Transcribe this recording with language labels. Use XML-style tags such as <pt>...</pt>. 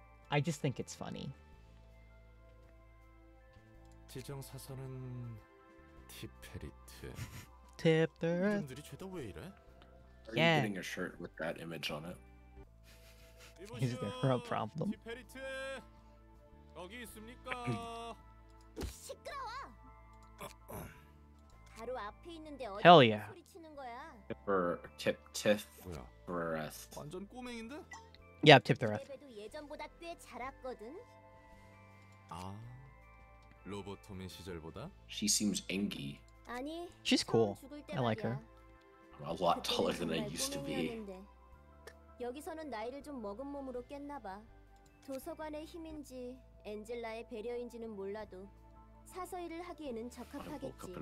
<en>I just think it's funny.</en> <ko>지정 사선은 티페리트.</ko> <en>Tip the Earth.</en> <ko>인종들이 죄다 왜 이래?</ko> <en>Are you getting a shirt with that image on it? Is there a problem?</en> <ko>티페리트 여기 있습니까? 시끄러워. 바로 앞에 있는데 어디?</ko> <en>Hell yeah.</en> <ko>소리치는 거야?</ko> <en>Tip the Earth.</en> <ko>완전 꼬맹인데?</ko> <en>Yeah, Tip the Earth.</en> <ko>예전보다 꽤 자랐거든. 아, 로보토미 시절보다?</ko> <en>She seems angry.</en> <ko>아니.</ko> <en>She's cool. I like her. I'm a lot taller than I used to be.</en> <ko>여기서는 나이를 좀 먹은 몸으로 깼나 봐. 도서관의 힘인지 엔젤라의 배려인지는 몰라도 사서 일을 하기에는 적합하겠지.</ko>